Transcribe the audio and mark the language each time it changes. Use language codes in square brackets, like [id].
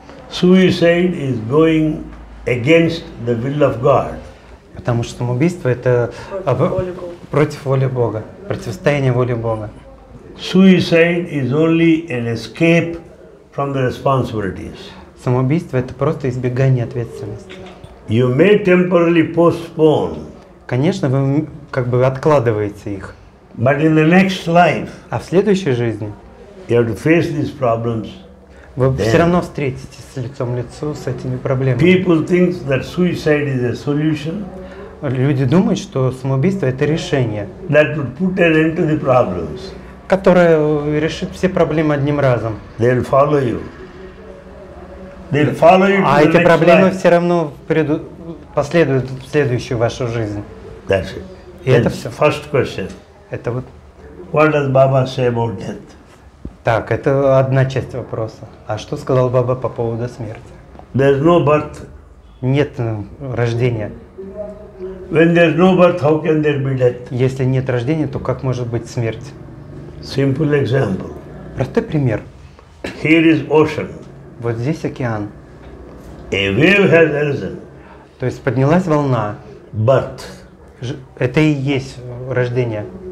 [en] Suicide is going against the will of God. [ru] Потому что самоубийство это против воли Бога, противостояние воле Бога. [en] Suicide is only an escape from the responsibilities. [ru] Самоубийство это просто избегание ответственности. [en] You may temporarily postpone. [ru] Конечно, вы как бы откладываете их. [en] But in the next life. [ru] А в следующей жизни. [en] You have to face these problems. [ru] Вы все равно встретитесь с лицом к лицу с этими проблемами. [en] People think that suicide is a solution. [ru] Люди думают, что самоубийство это решение. [en] That would put an end to the problems. [ru] Которое решит все проблемы одним разом. [en] They'll follow you. They'll follow you. [ru] А эти проблемы все равно последуют в следующую вашу жизнь. [en] That's it. [ru] И это все. [en] First question. [ru] Это вот. [en] What does Baba say about death? [ru] Так, это одна часть вопроса. А что сказал Баба по поводу смерти? [en] There's no birth. [ru] Нет рождения. [en] When there's no birth, how can there be death? [ru] Если нет рождения, то как может быть смерть? [en] Simple example. [ru] Простой пример. [en] Here is ocean. [ru] Вот здесь океан. [en] A wave has arisen. [ru] То есть поднялась волна. [en] Birth. [ru] Это и есть рождение.